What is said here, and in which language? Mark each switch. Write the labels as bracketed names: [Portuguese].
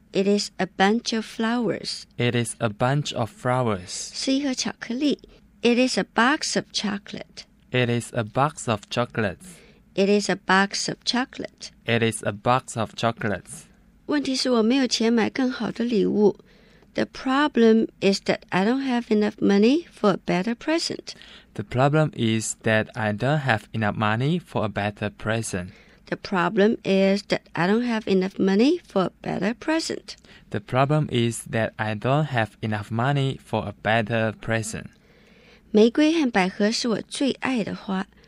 [English] It is a bunch of flowers. It is a bunch of flowers. [Chinese] 是一盒巧克力。 [English] It is a box of chocolate. It is a box of chocolates. It is a box of chocolate. It is a box of chocolates. [Chinese] 问题是我没有钱买更好的礼物。 [English] The problem is that I don't have enough money for a better present. The problem is that I don't have enough money for a better present. The problem is that I don't have enough money for a better present. The problem is that I don't have enough money for a better present. [Chinese] 玫瑰和百合是我最爱的花。